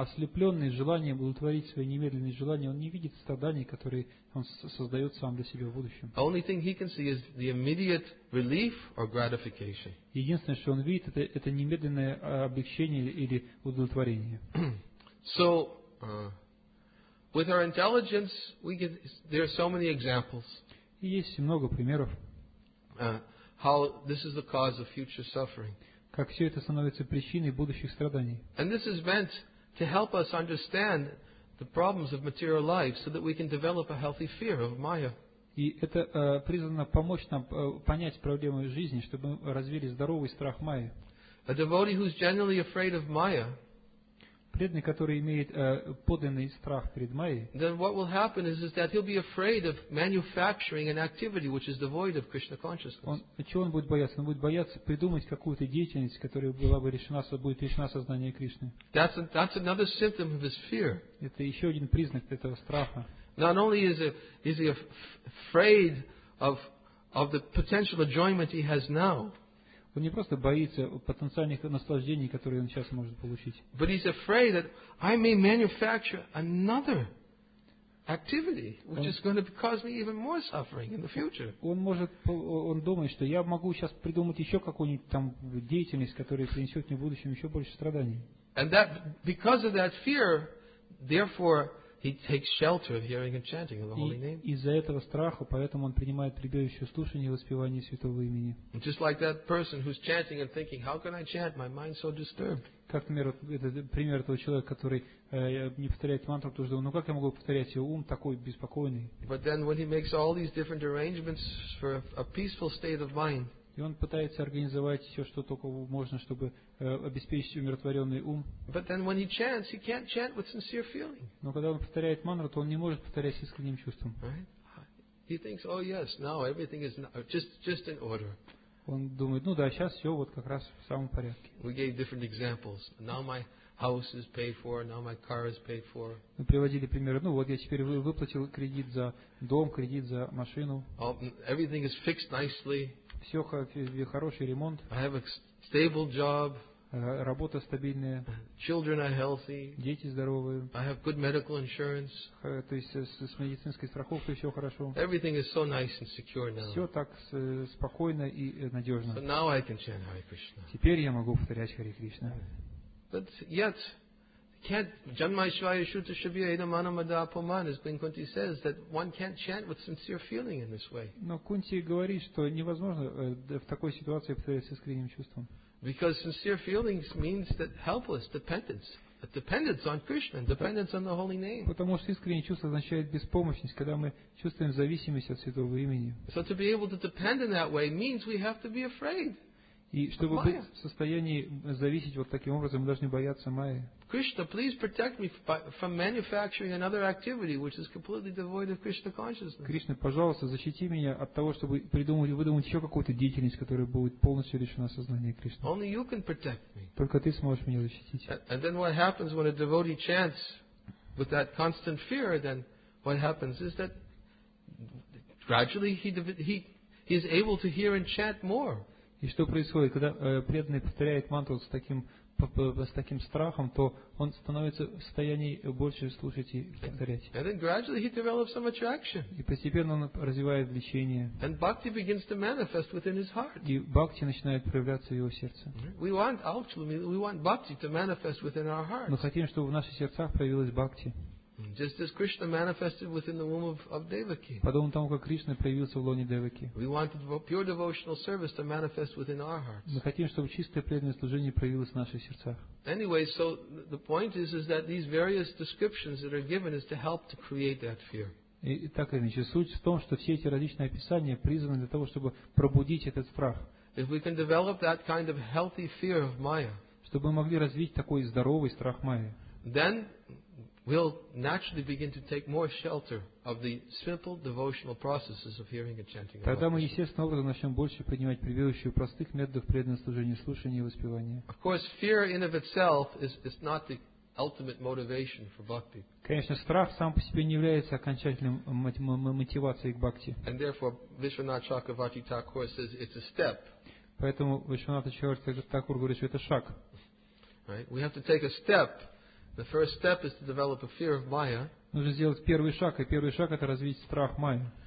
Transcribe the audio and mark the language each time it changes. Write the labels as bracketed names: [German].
[Russian] Ослепленный желанием удовлетворить свои немедленные желания, он не видит страданий, которые он создает сам для себя в будущем. [English] The only thing he can see is the immediate relief or gratification. [Russian] Единственное, что он видит, это немедленное облегчение или удовлетворение. [English] So, with our intelligence, there are so many examples. [Russian] Есть много примеров. [English] How this is the cause of future suffering. [Russian] Как все это становится причиной будущих страданий. [English] And this is meant to help us understand the problems of material life, so that we can develop a healthy fear of Maya. [Russian] И это призвано помочь нам понять проблемы жизни, чтобы мы развили здоровый страх Майи. [English] A devotee who's genuinely afraid of Maya. [Russian] Преданный, который имеет подлинный страх перед Майей. [English] Then what will happen is that he'll be afraid of manufacturing an activity which is devoid of Krishna consciousness. [Russian] Чего он будет бояться? Он будет бояться придумать какую-то деятельность, которая была бы лишена сознания Кришны. [English] That's another symptom of his fear. [Russian] Это еще один признак этого страха. [English] Not only is he afraid of the potential enjoyment he has now. [Russian] Он не просто боится потенциальных наслаждений, которые он сейчас может получить. [English] But he's afraid that I may manufacture another activity, which is going to cause me even more suffering in the future. [Russian] Он думает, что я могу сейчас придумать еще какую-нибудь там деятельность, которая принесет мне в будущем еще больше страданий. [English] And that, because of that fear, therefore, he takes shelter of hearing and chanting of the holy name. [Russian] Из-за этого страха, поэтому он принимает прибежище в слушании и воспевании святого имени. [English] Just like that person who's chanting and thinking, how can I chant? My mind's so disturbed. [Russian] Как пример этого человека, который не повторяет мантру, потому что, как я могу повторять, его ум такой беспокойный. [English] But then when he makes all these different arrangements for a peaceful state of mind. [Russian] и он пытается организовать все, что только можно, чтобы обеспечить умиротворенный ум. [English] But then when he chants, he can't chant with sincere feeling. [Russian] Но когда он повторяет мантру, то он не может повторять с искренним чувством. [English] Right? He thinks, oh yes, now everything is just in order. Он думает, ну да, сейчас все вот как раз в самом порядке. We gave different examples. Now my house is paid for, now my car is paid for. [Russian] Мы приводили примеры. Ну вот я теперь выплатил кредит за дом, кредит за машину. [English] Everything is fixed nicely. [Russian] Все хороший ремонт. [English] I have a stable job. [Russian] Работа стабильная. [English] Children are healthy. [Russian] Дети здоровые. [English] I have good medical insurance. [Russian] То есть с медицинской страховкой все хорошо. [English] Everything is so nice and secure now. [Russian] Все так спокойно и надежно. [English] So now I can chant Hare Krishna. [Russian] Теперь я могу повторять Хари Кришна. [English] But yet, can't Janmaishvaya Shuddha Shabhya Edamana Madhapaman, as Queen Kunti says, that one can't chant with sincere feeling in this way. [Russian] Но Кунти говорит, что невозможно в такой ситуации повторять с искренним чувством. [English] Because sincere feeling means that helpless dependence, a dependence on Krishna, dependence on the holy name. [Russian] Потому что искреннее чувство означает беспомощность, когда мы чувствуем зависимость от святого имени. [English] So to be able to depend in that way means we have to be afraid. [Russian] И чтобы быть в состоянии зависеть вот таким образом, мы должны бояться майи. [English] Krishna, please protect me from manufacturing another activity which is completely devoid of Krishna consciousness. [Russian] Кришна, пожалуйста, защити меня от того, чтобы придумать и выдумать еще какую-то деятельность, которая будет полностью лишена сознания Кришны. [English] Only you can protect me. [Russian] Только ты сможешь меня защитить. [English] And then what happens when a devotee chants with that constant fear, then what happens is that gradually he is able to hear and chant more. [Russian] И что происходит, когда преданный повторяет мантру с таким страхом, то он становится в состоянии больше слушать и повторять. [English] And then gradually he develops some attraction. [Russian] И постепенно он развивает влечение. [English] And bhakti begins to manifest within his heart. [Russian] И бхакти начинает проявляться в его сердце. [English] We want actually, we want bhakti to manifest within our hearts. [Russian] Мы хотим, чтобы в наших сердцах проявилась бхакти. [English] Just as Krishna manifested within the womb of Devaki. [Russian] Подобно тому, как Кришна проявился в лоне Девики. [English] We want pure devotional service to manifest within our hearts. [Russian] Мы хотим, чтобы чистое преданное служение проявилось в наших сердцах. [English] Anyway, so the point is that these various descriptions that are given is to help to create that fear. [Russian] Итак, иначе суть в том, что все эти различные описания призваны для того, чтобы пробудить этот страх. [English] If we can develop that kind of healthy fear of Maya. [Russian] Чтобы мы могли развить такой здоровый страх Майи. [English] Then we'll naturally begin to take more shelter of the simple devotional processes of hearing and chanting. [Russian] Тогда мы естественно образом начнем больше принимать прибежище простых методов преданного служения, слушания и воспевания. [English] Of course, fear in of itself is not the ultimate motivation for bhakti. [Russian] Конечно, страх сам по себе не является окончательным мотивацией к бхакти. [English] And therefore, Vishwanath Chakravarti Thakur says it's a step. [Russian] Поэтому Вишванатха Чакраварти Такур говорит, что это шаг. [English] Right? We have to take a step. The first step is to develop a fear of Maya. [Russian] Нужно сделать первый шаг, и первый шаг это развить страх Майя.